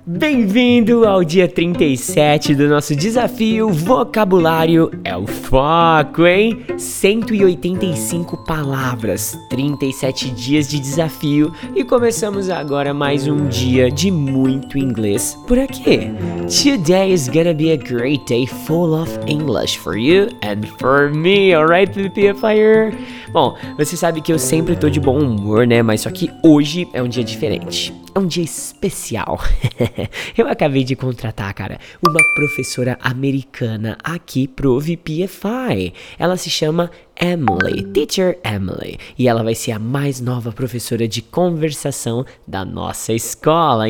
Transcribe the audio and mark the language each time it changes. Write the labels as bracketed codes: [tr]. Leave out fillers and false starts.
[pt] Bem-vindo ao dia 37 do nosso desafio Vocabulário é o Foco, hein? 185 palavras, 37 dias de desafio e começamos agora mais um dia de muito inglês por aqui. [en] Today is gonna be a great day full of English for you and for me, alright, VP Fire? [pt] Bom, você sabe que eu sempre tô de bom humor, né? Mas só que hoje é um dia diferente. É um dia especial. Eu acabei de contratar, cara, uma professora americana aqui pro VPFI. Ela se chama Emily, Teacher Emily. E ela vai ser a mais nova professora de conversação da nossa escola.